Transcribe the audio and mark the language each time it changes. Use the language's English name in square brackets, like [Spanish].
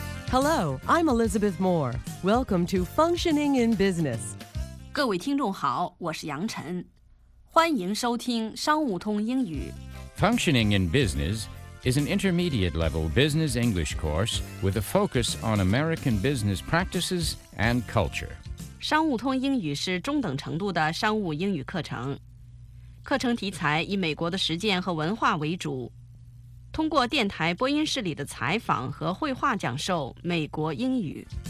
[English] Hello, I'm Elizabeth Moore. Welcome to Functioning in Business. [Chinese] 各位听众好，我是杨晨，欢迎收听商务通英语。 [English] Functioning in Business is an intermediate level business English course with a focus on American business practices and culture. [Chinese] 商务通英语是中等程度的商务英语课程，课程题材以美国的实践和文化为主，通过电台播音室里的采访和绘画讲授美国英语。